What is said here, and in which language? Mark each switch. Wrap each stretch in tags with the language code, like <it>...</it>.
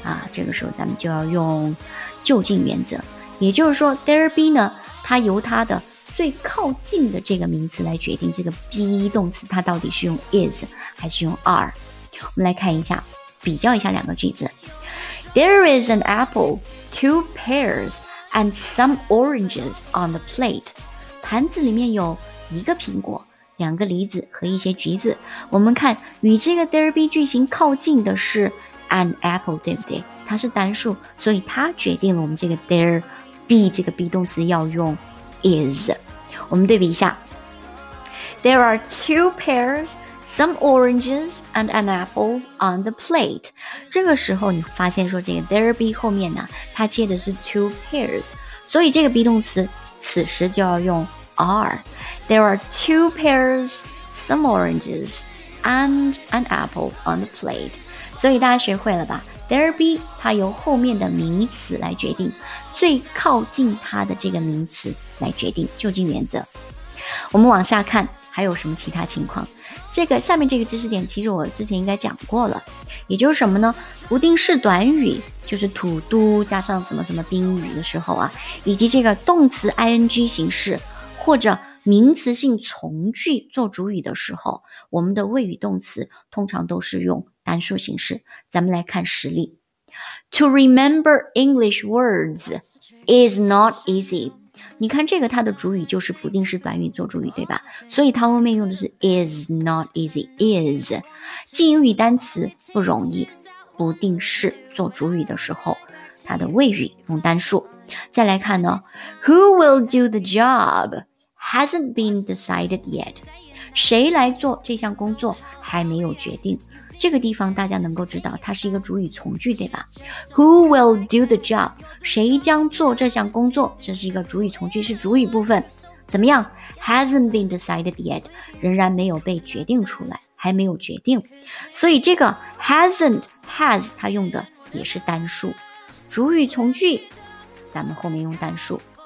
<zh>这个时候咱们就要用就近原则。也就是说 there be 呢，它由它的最靠近的这个名词来决定这个 be 动词它到底是用 is 还是用 are。我们来看一下，比较一下两个句子。</zh> <en>There is an apple, two pears, and some oranges on the plate.</en> <zh>盘子里面有一个苹果，两个梨子和一些橘子。我们看与这个 there be 句型靠近的是 an apple， 对不对？它是单数，所以它决定了我们这个 there be 这个 be 动词要用 is。我们对比一下，</zh> <en>There are two pears,Some oranges and an apple on the plate.</en> <zh>这个时候你发现说这个 there be 后面呢，它接的是 two pears， 所以这个 be 动词此时就要用 are.</zh> <en>There are two pears, some oranges and an apple on the plate.</en> <zh>所以大家学会了吧， there be 它由后面的名词来决定，最靠近它的这个名词来决定，就近原则。我们往下看还有什么其他情况。这个下面这个知识点其实我之前应该讲过了，也就是什么呢，不定式短语就是 to do 加上什么什么宾语的时候啊，以及这个动词 ing 形式或者名词性从句做主语的时候，我们的谓语动词通常都是用单数形式。咱们来看实例。</zh> <en>To remember English words is not easy，</en> <zh>你看这个它的主语就是不定式短语做主语，对吧？所以它后面用的是</zh> <en>is not easy，</en> <zh>is 记英语单词不容易，不定式做主语的时候它的谓语用单数。再来看呢，</zh> <en>Who will do the job hasn't been decided yet，</en> <zh>谁来做这项工作还没有决定。这个地方大家能够知道它是一个主语从句，对吧？</zh> <en>Who will do the job，</en> <zh>谁将做这项工作，这是一个主语从句，是主语部分。怎么样，</zh> <en>hasn't been decided yet，</en> <zh>仍然没有被决定出来，还没有决定。所以这个 hasn't has 它用的也是单数，主语从句咱们后面用单数。</zh>